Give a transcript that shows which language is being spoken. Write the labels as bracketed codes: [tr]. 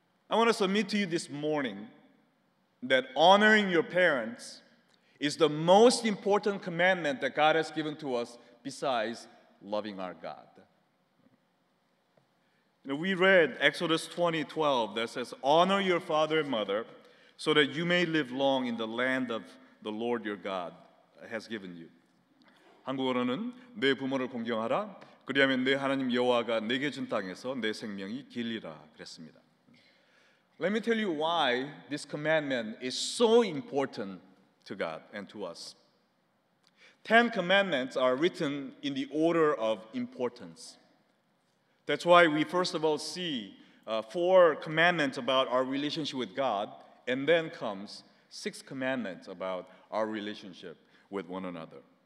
[en] I want to submit to you this morning that honoring your parents is the most important commandment that God has given to us besides loving our God. You know, we read Exodus 20:12 that says, honor your father and mother so that you may live long in the land of the Lord your God has given you. [ko] 한국어로는 내 부모를 공경하라. 그리하면 내 하나님 여호와가 내게 준 땅에서 내 생명이 길리라 그랬습니다. [en] Let me tell you why this commandment is so important to God and to us. 10 commandments are written in the order of importance. That's why we first of all see 4 commandments about our relationship with God, and then comes 6 commandments about our relationship with one another.